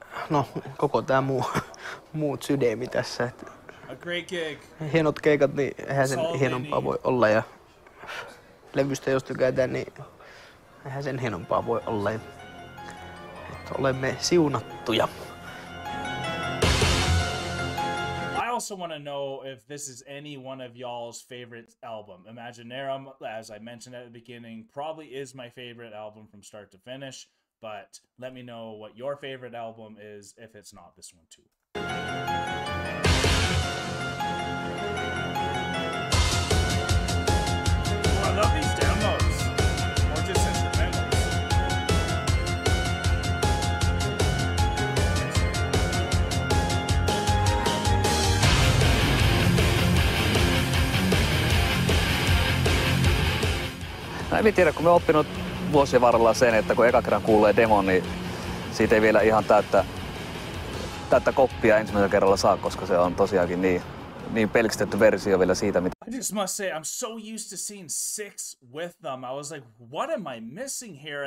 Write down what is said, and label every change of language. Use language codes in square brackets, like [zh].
[fi] No, koko tää muu sydämi tässä, että [en] a great gig. [fi] Hienot keikat, niin eihän sen hienompaa voi olla, ja levystä jos tykätään, niin eihän sen hienompaa voi olla, että olemme siunattuja. [en] I also want to know if this is any one of y'all's favorite album. Imaginaerum, as I mentioned at the beginning, probably is my favorite album from start to finish. But let me know what your favorite album is, if it's not this one too. Oh, I love these demos. Or just instrumentals. [fi] En tiedä, kun me oppinut vuosien varrella sen, että kun eka kerran kuulee demon, niin siitä ei vielä ihan täyttä koppia ensimmäisellä kerralla saa, koska se on tosiaankin niin pelkistetty versio vielä siitä, mitä. [en] I just must say, I'm so used to seeing six with them. I was like, what am I missing here?